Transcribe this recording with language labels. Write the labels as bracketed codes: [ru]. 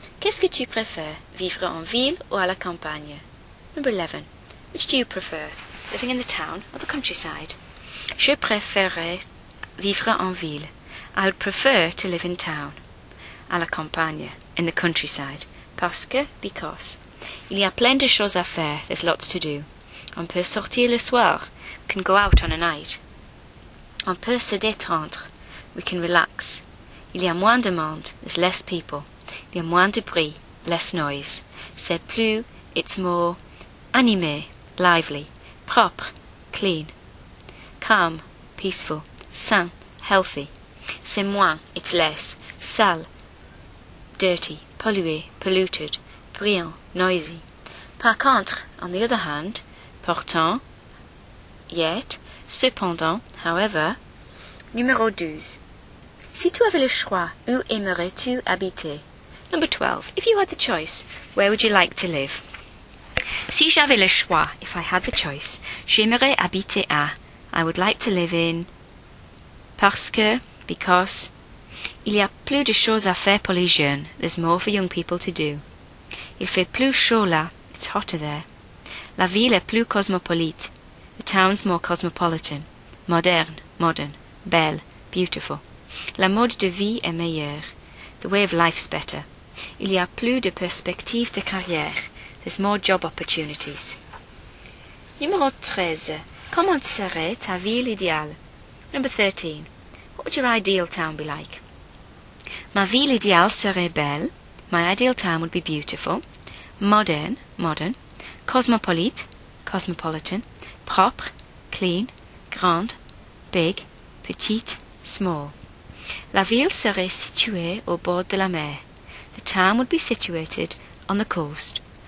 [fr] Qu'est-ce que tu préfères, vivre en ville ou à la campagne? [en] Number 11. Which do you prefer, living in the town or the countryside? [fr] Je préférerais vivre en ville. [en] I would prefer to live in town. [fr] À la campagne, [en] in the countryside. [fr] Parce que, [en] because. [fr] Il y a plein de choses à faire. [en] There's lots to do. [fr] On peut sortir le soir. [en] We can go out on a night. [fr] On peut se détendre. [en] We can relax. [fr] Il y a moins de monde. [en] There's less people. [fr] Il y a moins de bruit. [en] Less noise. [fr] C'est plus. [en] It's more. [fr] Animé. Lively. Propre. Clean. Calm. Peaceful. Sain. Healthy. C'est moins. [en] It's less. [fr] Sale. Dirty. Pollué. Polluted. Bruyant. Noisy. Par contre, [en] on the other hand, [fr] pourtant, [en] yet, [fr] cependant, [en] however. [fr] Numéro 12. Si tu avais le choix, où aimerais-tu habiter? [en] Number 12. If you had the choice, where would you like to live? [fr] Si j'avais le choix, [en] if I had the choice, [fr] j'aimerais habiter à. [en] I would like to live in. [fr] Parce que, [en] because. [fr] Il y a plus de choses à faire pour les jeunes. [en] There's more for young people to do. [fr] Il fait plus chaud là. [en] It's hotter there. [fr] La ville est plus cosmopolite. [en] The town's more cosmopolitan. [fr] Moderne, [en] modern, [fr] belle, [en] beautiful. [fr] La mode de vie est meilleure. [en] The way of life's better. [fr] Il y a plus de perspectives de carrière. [en] There's more job opportunities. [fr] Numéro 13. Comment serait ta ville idéale? [en] Number 13. What would your ideal town be like? [fr] Ma ville idéale serait belle. [en] My ideal town would be beautiful. Modern, modern. [fr] Cosmopolite, [en] cosmopolitan. [fr] Propre, [en] clean. [fr] Grande, [en] big. [fr] Petite, [en] small. [fr] La ville serait située au bord de la mer. [en] The town would be situated on the coast.